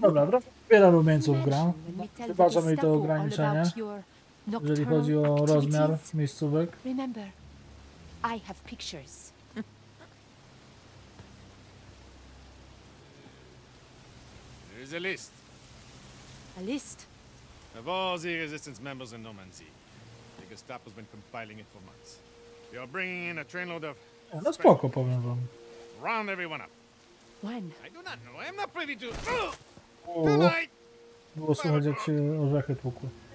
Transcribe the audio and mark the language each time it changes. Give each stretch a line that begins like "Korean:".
Polish: Dobra, wiele rumieńców gra. Wybacza mi to ograniczenie, jeżeli chodzi o rozmiar miejscówek.
English: Remember, I have pictures. is a list. A list? Of all the resistance members in Normandy. The Gestapo's been compiling it for months. You're bringing in a trainload of...
Polish: No spoko, powiem wam.
English: Round everyone up. When? I do not know. I'm not privy to... Tonight!
Polish: Było słychać, jak się orzechy tłukły.